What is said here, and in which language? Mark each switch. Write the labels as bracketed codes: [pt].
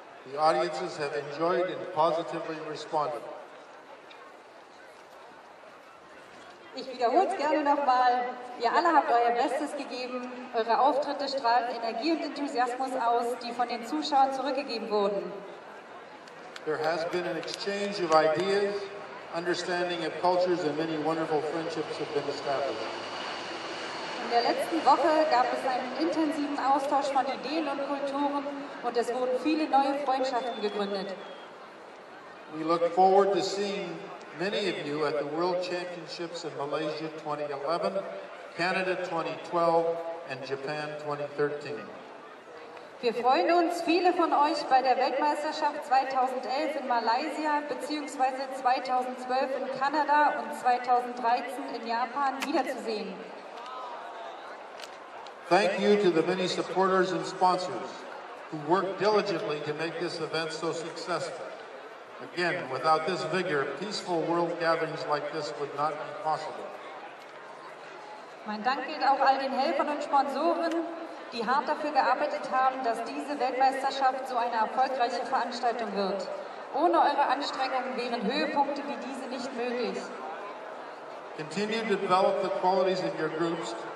[en] The audiences have enjoyed and positively responded. [de] Ich wiederhole es gerne nochmal. Ihr alle habt euer Bestes gegeben. Eure Auftritte strahlten Energie und Enthusiasmus aus, die von den Zuschauern zurückgegeben wurden. [en] There has been an exchange of ideas, understanding of cultures, and many wonderful friendships have been established. [de] In der letzten Woche gab es einen intensiven Austausch von Ideen und Kulturen und es wurden viele neue Freundschaften gegründet. [en] We look forward to seeing many of you at the World Championships in Malaysia 2011, Canada 2012, and Japan 2013. [de] Wir freuen uns, viele von euch bei der Weltmeisterschaft 2011 in Malaysia beziehungsweise 2012 in Kanada und 2013 in Japan wiederzusehen. [en] Thank you to the many supporters and sponsors who worked diligently to make this event so successful. Again, without this vigor, peaceful world gatherings like this would not be possible. [de] Mein Dank gilt auch all den Helfern und Sponsoren, die hart dafür gearbeitet haben, dass diese Weltmeisterschaft so eine erfolgreiche Veranstaltung wird. Ohne eure Anstrengungen wären Höhepunkte wie diese nicht möglich. [en] Continue to develop the qualities of your groups.